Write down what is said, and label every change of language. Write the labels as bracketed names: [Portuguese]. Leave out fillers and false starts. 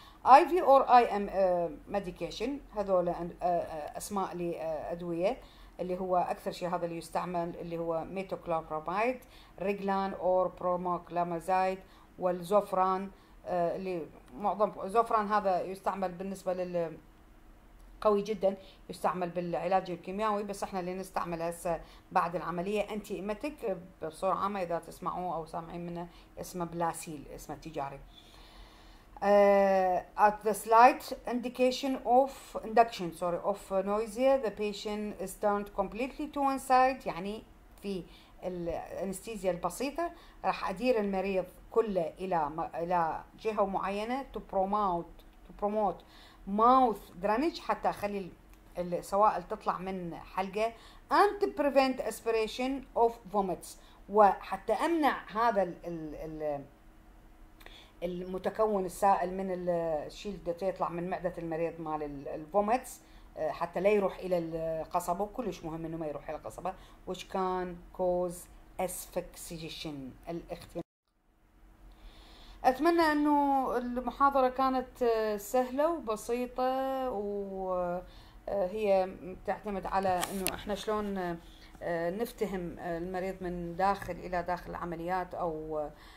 [English] IV or IM medication، [Arabic] هذول اسماء لادويه اللي هو اكثر شيء هذا اللي يستعمل، اللي هو ميتوكلوبرامايد، ريجلان اور بروماكلامازايد، والزوفران اللي معظم زوفران هذا يستعمل بالنسبه لل قوي جدا، يستعمل بالعلاج الكيميائي، بس احنا اللي نستعمل هسه بعد العمليه انتي ايميتيك بصوره عامه اذا تسمعوه او سامعين منه اسمه بلاسيل اسمه التجاري. [English] At the slight indication of induction, sorry, of nausea, the patient is turned completely to one side. [Arabic] يعني في الانستيزيا البسيطة راح أدير المريض كله إلى جهة معينة [English] to promote mouth drainage، [Arabic] حتى أخلي السوائل تطلع من حلقه، [English] and to prevent aspiration of vomits، [Arabic] وحتى أمنع هذا ال المتكون السائل من الشيء اللي يطلع من معدة المريض مال الفوميتس، حتى لا يروح إلى القصبة، وكلش مهم إنه ما يروح إلى القصبة. [English] which can cause asphyxiation، الاختناق. [Arabic] أتمنى إنه المحاضرة كانت سهلة وبسيطة، وهي تعتمد على إنه إحنا شلون نفتهم المريض من داخل إلى داخل العمليات، أو